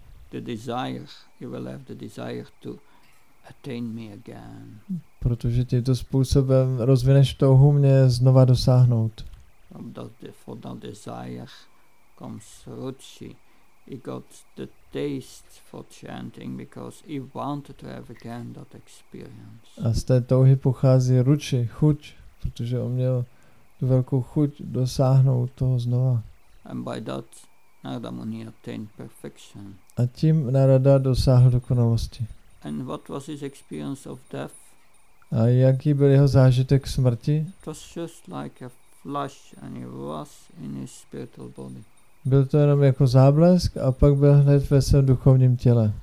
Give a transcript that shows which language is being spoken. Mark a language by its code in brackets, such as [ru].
[en] The desire, you will have the desire to attain me again. [cs] Protože tímto způsobem rozvineš touhu mě znova dosáhnout. [en] For that desire comes Ruchi. He got the taste for chanting because he wanted to have again that experience. [cs] A z té touhy pochází Ruchi, chuť, protože on měl tu velkou chuť dosáhnout toho znova. [en] And by that Narada Muni attained perfection. [cs] A tím Narada dosáhl dokonalosti. [en] And what was his experience of death? [cs] A jaký byl jeho zážitek smrti? [en] It was just like a flash and he was in his spiritual body. [cs] Byl to jenom jako záblesk a pak byl hned ve svém duchovním těle.